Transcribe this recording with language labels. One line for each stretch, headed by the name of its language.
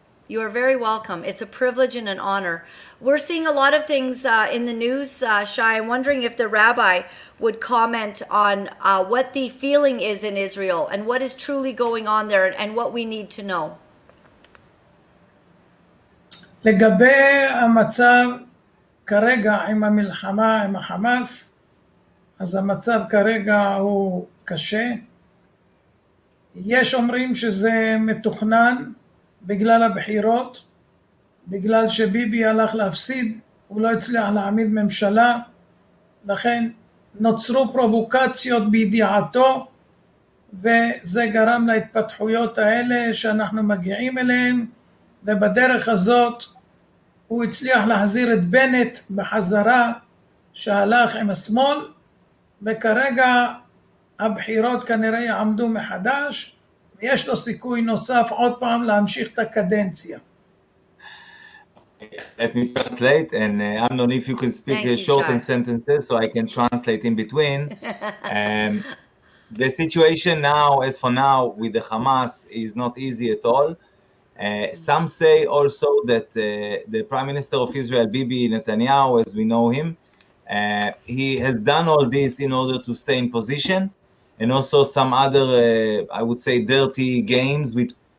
English: You are very welcome. It's a privilege and an honor. We're seeing a lot of things in the news, Shai. I'm wondering if the rabbi would comment on what the feeling is in Israel and what is truly going on there and what we need to know.
Hebrew: לגבי המצב כרגע עם המלחמה עם החמאס, אז המצב כרגע הוא קשה. יש אומרים שזה מתוכנן בגלל הבחירות, בגלל שביבי הלך להפסיד, הוא לא הצליח להעמיד ממשלה, לכן נוצרו פרובוקציות בידיעתו, וזה גרם להתפתחויות האלה שאנחנו מגיעים אליהן, ובדרך הזאת הוא הצליח להחזיר את בנט בחזרה שהלך עם השמאל, וכרגע הבחירות כנראה יעמדו מחדש, ויש לו סיכוי נוסף עוד פעם להמשיך את הקדנציה.
English: Let me translate, and Amnon, if you can speak shortened sentences so I can translate in between. the situation now, as for now, with the Hamas is not easy at all. Some say also that the Prime Minister of Israel, Bibi Netanyahu, as we know him, he has done all this in order to stay in position, and also some other, I would say, dirty games with